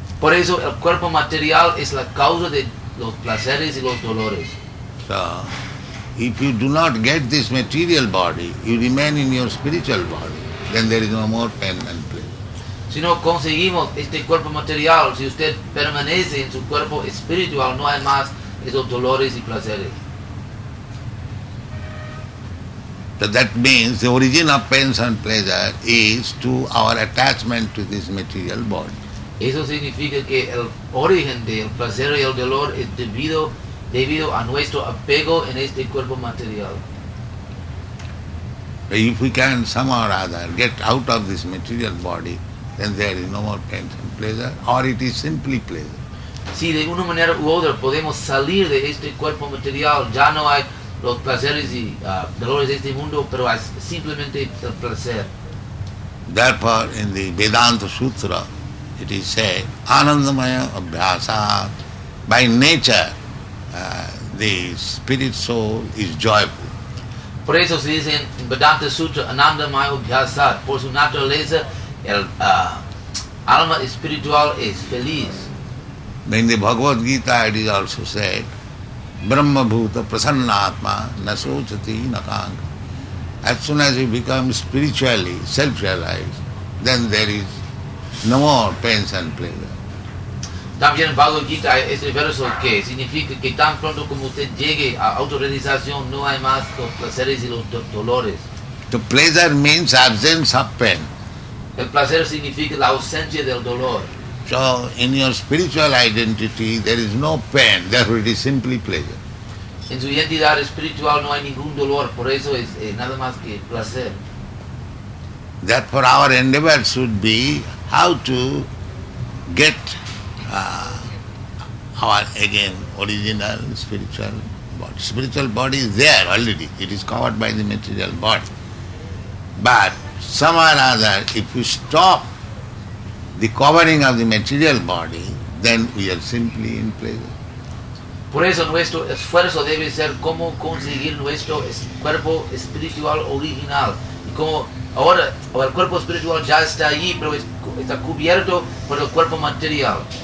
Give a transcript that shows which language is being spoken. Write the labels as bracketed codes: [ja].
[es] Por eso, el cuerpo material es la causa de los placeres y los dolores. [en] So, if you do not get this material body, you remain in your spiritual body, then there is no more pain and pleasure. [es] Si no conseguimos este cuerpo material, si usted permanece en su cuerpo espiritual, no hay más esos dolores y placeres. [en] So that means the origin of pains and pleasure is to our attachment to this material body. [es] Eso significa que el origen del placer y el dolor es debido a nuestro apego en este cuerpo material. [en] If we can somehow or other get out of this material body, then there is no more pain and pleasure, or it is simply pleasure. [es] Si de una manera u otra podemos salir de este cuerpo material, ya no hay los placeres y dolores de este mundo, pero hay simplemente el placer. [en] Therefore, in the Vedanta Sutra, it is said, [sa] Anandamaya Abhyasa, [en] by nature, the spirit soul is joyful. [es] Por eso se dice en Vedanta Sutra, [sa] Anandamaya Abhyasa, [es] por su naturaleza, el alma espiritual es feliz. [en] In the Bhagavad Gita, it is also said, [sa] Brahma Bhuta Prasanna Atma Na Sochati Na Kanka. [en] As soon as you become spiritually self-realized, then there is no more pains and pleasure. [es] También Bhagavad Gita ese verso que significa que tan pronto como usted llegue a autorrealización no hay más los placeres y los dolores. [en] The pleasure means absence of pain. [es] El placer significa la ausencia del dolor. [en] So in your spiritual identity there is no pain, therefore it is simply pleasure. [es] En su identidad espiritual no hay ningún dolor, por eso es nada más que placer. [en] Therefore our endeavor should be how to get our original spiritual body. Spiritual body is there already. It is covered by the material body. But somehow or other, if we stop the covering of the material body, then we are simply in pleasure. [es] Por eso nuestro esfuerzo debe ser cómo conseguir nuestro cuerpo espiritual original. Como ahora, el cuerpo espiritual ya está allí, pero está cubierto por el cuerpo material.